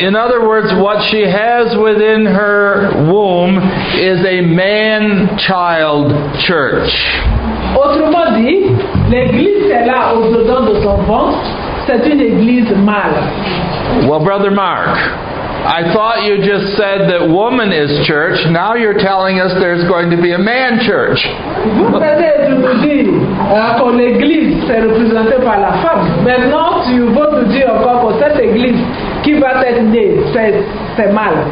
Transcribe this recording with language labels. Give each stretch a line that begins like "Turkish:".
English: In other words, what she has within her womb is a man-child church.
French: Autrement dit, l'église est là au dedans de son ventre, c'est une église mâle.
English: Well, Brother Mark, I thought you just said that woman is church. Now you're telling us there's going to be a man church.
French: Vous venez de nous dire que l'église est représentée par la femme. Maintenant, tu veux nous dire encore que cette église qui va être née, c'est mal.